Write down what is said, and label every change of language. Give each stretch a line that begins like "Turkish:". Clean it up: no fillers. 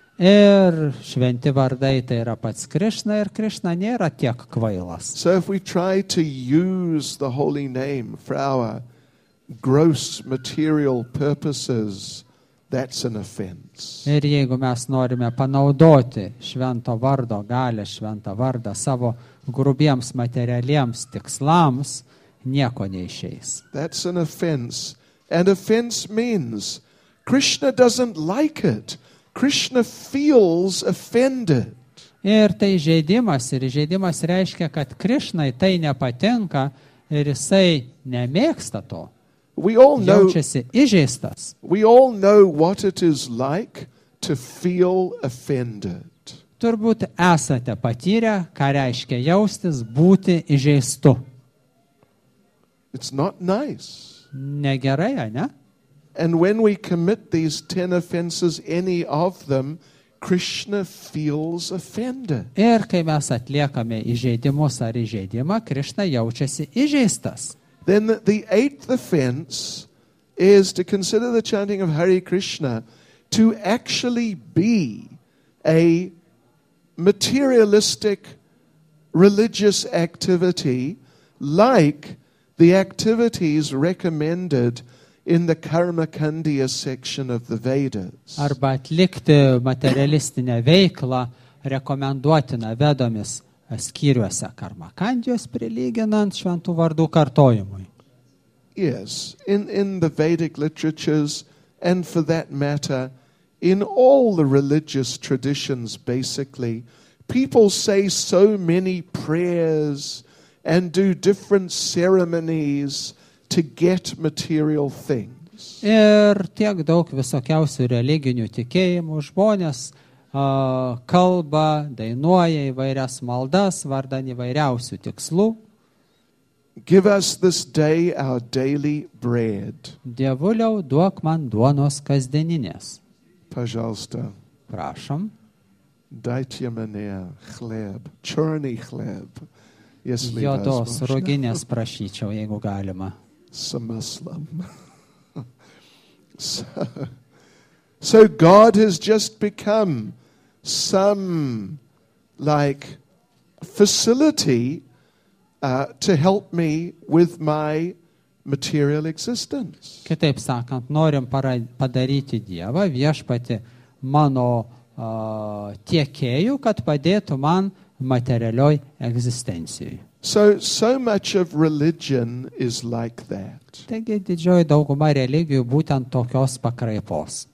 Lithuanian: Ir šventi vardai tai yra pats Krishna, ir Krishna nėra tiek kvailas.
English: So if we try to use the holy name for our gross material purposes, that's an offense.
Lithuanian: Ir jeigu mes norime panaudoti švento vardo galę, šventą vardą savo grubiems materialiems tikslams, nieko neišeis.
English: That's an offense. And offense means Krishna doesn't like it. Krishna feels offended.
Lithuanian: Ir tai žeidimas, ir žeidimas reiškia, kad Krishnai tai nepatinka ir jisai nemėgsta to.
English: We all know,
Lithuanian: jaučiasi įžeistas.
English: We all know what it is like to feel offended.
Lithuanian: Turbūt esate patyrę, ką reiškia jaustis būti įžeistu.
English: It's not nice.
Lithuanian: Negerai, ne?
English: And when we commit these 10 offenses, any of them, Krishna feels offended.
Lithuanian: Ir kai mes atliekame įžeidimus ar įžeidimą, Krishna jaučiasi įžeistas.
English: Then the 8th offense is to consider the chanting of Hare Krishna to actually be a materialistic religious activity like the activities recommended in the Karmakandiya section of the Vedas.
Lithuanian: Arba atlikti materialistinę veiklą rekomenduotina Vedomis skyriuose Karmakandijos prilyginant šventų vardų kartojimui.
English: Yes, in the Vedic literatures and for that matter in all the religious traditions basically people say so many prayers and do different ceremonies to get material things.
Lithuanian: Ir tiek daug visokiausių religinių tikėjimų žmonės kalba, dainuoja įvairias maldas vardan įvairiausių tikslų.
English: Give us this day our daily bread.
Lithuanian: Dievuliau, duok man duonos kasdieninės.
Russian: Пожалуйста. Прошам. Дайте мне хлеб, чёрный хлеб.
Lithuanian: Jodos ruginės prašyčiau, jeigu galima. Samaslam.
English: So God has just become some like facility to help me with my material existence.
Lithuanian: Kitaip sakant, norim padaryti Dievą viešpatį mano tiekėjų, kad padėtų man materialioj egzistencijoj.
English: So much of religion is like that.
Lithuanian: Taigi didžioji dauguma religijų būtent tokios pakraipos.